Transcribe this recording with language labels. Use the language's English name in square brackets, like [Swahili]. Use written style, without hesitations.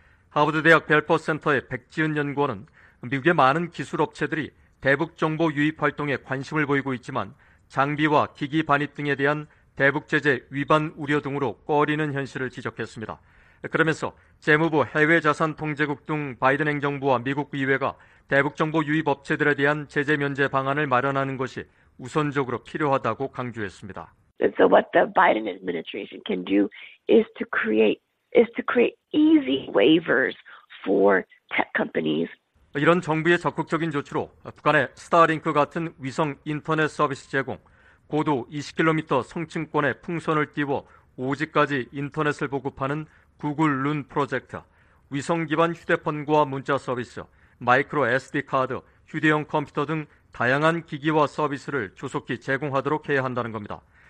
[Korean] 하버드대학 벨퍼센터의 백지은 연구원은 미국의 많은 기술업체들이 대북 정보 유입 활동에 관심을 보이고 있지만 장비와 기기 반입 등에 대한 대북 제재 위반 우려 등으로 꺼리는 현실을 지적했습니다. 그러면서 재무부 해외자산통제국 등 바이든 행정부와 미국 의회가 대북 정보 유입 업체들에 대한 제재 면제 방안을 마련하는 것이 우선적으로 필요하다고 강조했습니다. [English] So what the Biden administration can do is to create easy waivers for tech companies. [Korean] 이런 정부의 적극적인 조치로 북한의 스타링크 같은 위성 인터넷 서비스 제공, 고도 20km 성층권의 풍선을 띄워 오지까지 인터넷을 보급하는 구글 룬 프로젝트, 위성 기반 휴대폰과 문자 서비스, 마이크로 SD카드, 휴대용 컴퓨터 등 다양한 기기와 서비스를 조속히 제공하도록 해야 한다는 겁니다.